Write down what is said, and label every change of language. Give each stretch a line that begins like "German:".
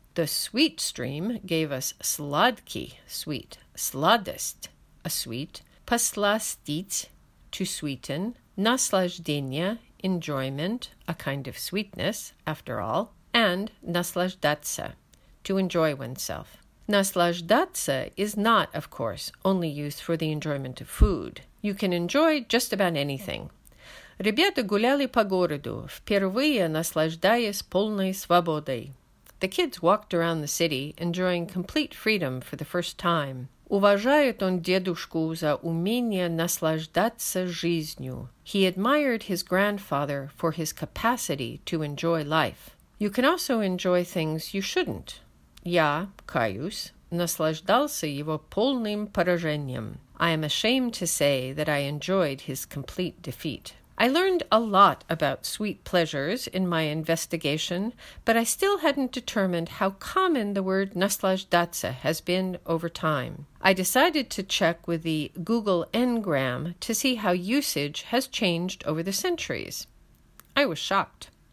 English: The sweet stream gave us sladki, sweet, sladest, a sweet, paslastit, to sweeten, naslazhdenie, enjoyment, a kind of sweetness, after all, and naslazhdatsya, to enjoy oneself. Naslazhdatsya is not, of course, only used for the enjoyment of food. You can enjoy just about anything.
Russian: Ребята гуляли по городу, впервые наслаждаясь полной свободой.
English: The kids walked around the city, enjoying complete freedom for the first time.
Russian: Уважает он дедушку за умение наслаждаться жизнью.
English: He admired his grandfather for his capacity to enjoy life. You can also enjoy things you shouldn't.
Russian: Я, Каюс, наслаждался его полным поражением.
English: I am ashamed to say that I enjoyed his complete defeat. I learned a lot about sweet pleasures in my investigation, but I still hadn't determined how common the word naslazhdatsya has been over time. I decided to check with the Google Ngram to see how usage has changed over the centuries. I was shocked.